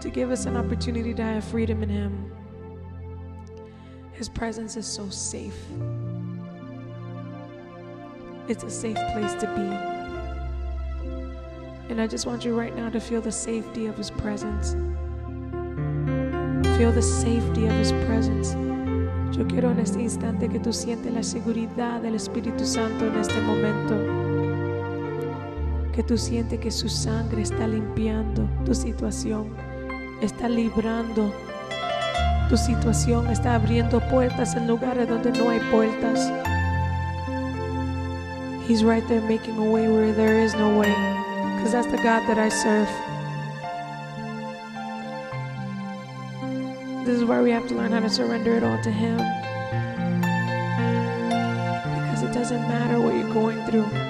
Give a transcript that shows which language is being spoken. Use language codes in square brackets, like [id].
[en] To give us an opportunity to have freedom in Him. His presence is so safe. It's a safe place to be. And I just want you right now to feel the safety of His presence. Feel the safety of His presence. [es] Yo quiero en este instante que tú sientes la seguridad del Espíritu Santo en este momento. Que tú sientes que su sangre está limpiando tu situación. Está librando Tu situación está abriendo puertas en lugares donde no hay puertas. [en] He's right there making a way where there is no way. Because that's the God that I serve. This is why we have to learn how to surrender it all to Him. Because it doesn't matter what you're going through.